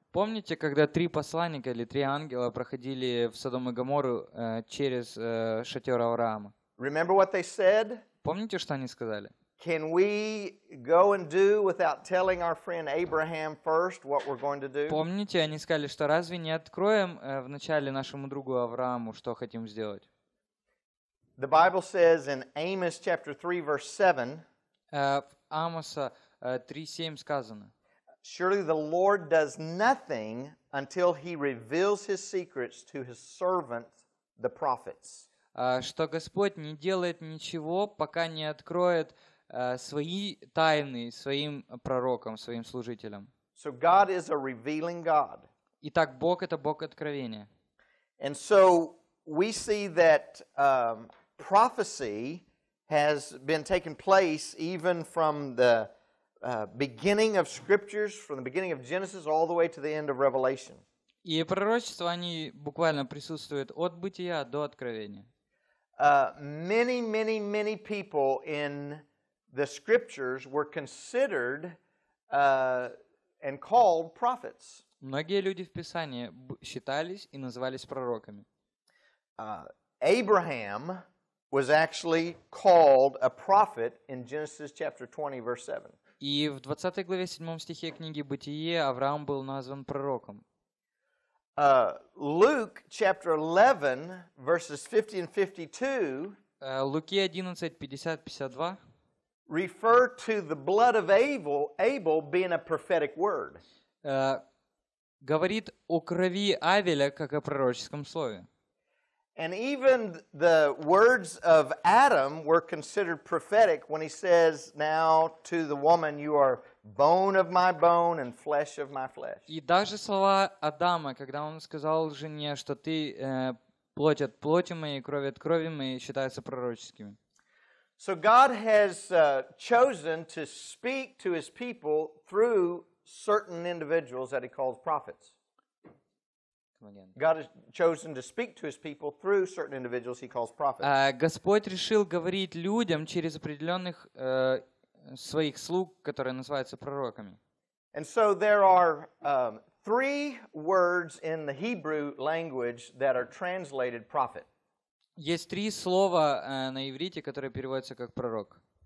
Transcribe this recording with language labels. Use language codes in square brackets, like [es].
[ru] Помните, когда три посланника или три ангела проходили в Содом и Гоморру через шатер Авраама? [en] Remember what they said? [ru] Помните, что они сказали? [en] Can we go and do without telling our friend Abraham first what we're going to do? [ru] Помните, они сказали, что разве не откроем вначале нашему другу Аврааму, что хотим сделать? [en] The Bible says in Amos chapter 3 verse 7. [ru] В Амоса 3:7 сказано. [en] Surely the Lord does nothing until he reveals his secrets to his servants, the prophets. [ru] Что Господь не делает ничего, пока не откроет свои тайны своим пророкам, своим служителям. [en] So God is a revealing God. [ru] Итак, Бог — это Бог откровения. [en] And so we see that prophecy has been taking place even from the beginning of scriptures, from the beginning of Genesis all the way to the end of Revelation. [ru] И пророчества, они буквально присутствуют от бытия до откровения. [en] Many people in the scriptures were considered and called prophets. [ru] Многие люди в Писании считались и назывались пророками. [en] Abraham was actually called a prophet in Genesis chapter 20 verse 7. [ru] И в 20 главе 7 стихе книги Бытие Авраам был назван пророком. [en] Luke chapter 11 verses 50 and 52. [ru] Луки 11:50-52. [en] Refer to the blood of Abel being a prophetic word. [ru] Говорит о крови Авеля как о пророческом слове. [en] And even the words of Adam were considered prophetic when he says, "Now to the woman, you are bone of my bone and flesh of my flesh." [ru] И даже слова Адама, когда он сказал жене, что ты плоть от плоти моей, кровь от крови моей, считаются пророческими. [en] So God has chosen to speak to his people through certain individuals that he calls prophets. God has chosen to speak to his people through certain individuals he calls prophets. [ru] Господь решил говорить людям через определенных своих слуг, которые называются пророками. [en] And so there are three words in the Hebrew language that are translated prophet. [ru] Есть три слова на иврите, которые переводятся как пророк.